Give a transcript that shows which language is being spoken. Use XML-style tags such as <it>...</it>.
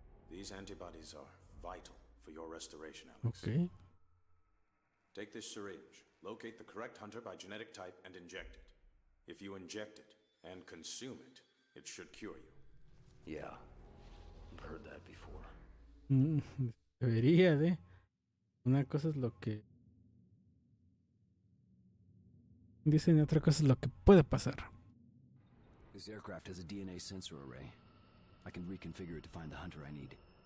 <en>These antibodies are vital for your restoration, Alex. Okay. Take this syringe, locate the correct hunter by genetic type and inject it. If you inject it and consume it, it should cure you. Yeah, I've heard that before.</en> <es>Debería de. Una cosa es lo que dicen y otra cosa es lo que puede pasar.</es> <en>This aircraft has a DNA sensor array. I can reconfigure it to find the hunter I need.</en>